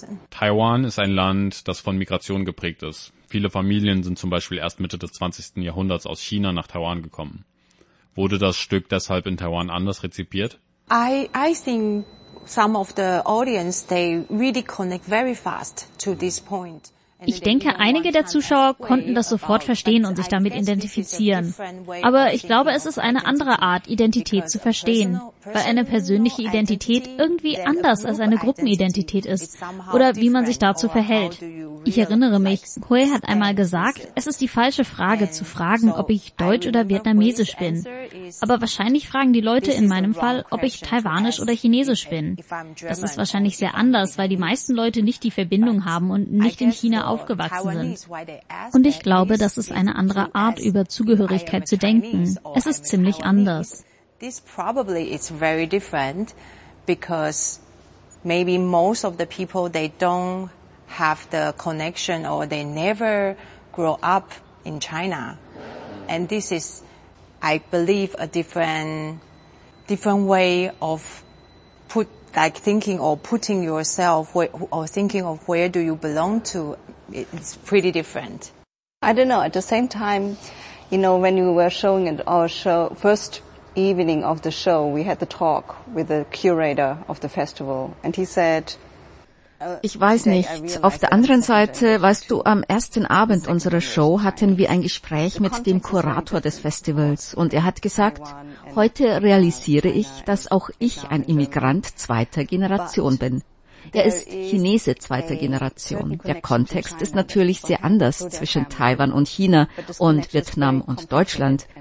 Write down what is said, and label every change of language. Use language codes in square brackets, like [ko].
[de] Taiwan ist ein Land, das von Migration geprägt ist. Viele Familien sind zum Beispiel erst Mitte des 20. Jahrhunderts aus China nach Taiwan gekommen. Wurde das Stück deshalb in Taiwan anders rezipiert? [en] I think some of the audience, they really connect very fast to this point. [de] Ich denke, einige der Zuschauer konnten das sofort verstehen und sich damit identifizieren. Aber ich glaube, es ist eine andere Art, Identität zu verstehen, weil eine persönliche Identität irgendwie anders als eine Gruppenidentität ist oder wie man sich dazu verhält. Ich erinnere mich, Hui hat einmal gesagt, es ist die falsche Frage zu fragen, ob ich deutsch oder vietnamesisch bin. Aber wahrscheinlich fragen die Leute in meinem Fall, ob ich taiwanisch oder chinesisch bin. Das ist wahrscheinlich sehr anders, weil die meisten Leute nicht die Verbindung haben und nicht in China aufgewachsen sind. Und ich glaube, das ist eine andere Art, über Zugehörigkeit zu denken. Es ist ziemlich anders. [en] This probably is very different because maybe most of the people, they don't have the connection or they never grow up in China. And this is, I believe, a different way of putting yourself or thinking of where do you belong to. It's pretty different. I don't know. At the same time, you know, when you were showing it our show, first evening of the show, we had the talk with the curator of the festival and he said, [de] ich weiß nicht. Auf der anderen Seite, weißt du, am ersten Abend unserer Show hatten wir ein Gespräch mit dem Kurator des Festivals und er hat gesagt, heute realisiere ich, dass auch ich ein Immigrant zweiter Generation bin. Er ist Chinese zweiter Generation. Der Kontext ist natürlich sehr anders zwischen Taiwan und China und Vietnam und Deutschland.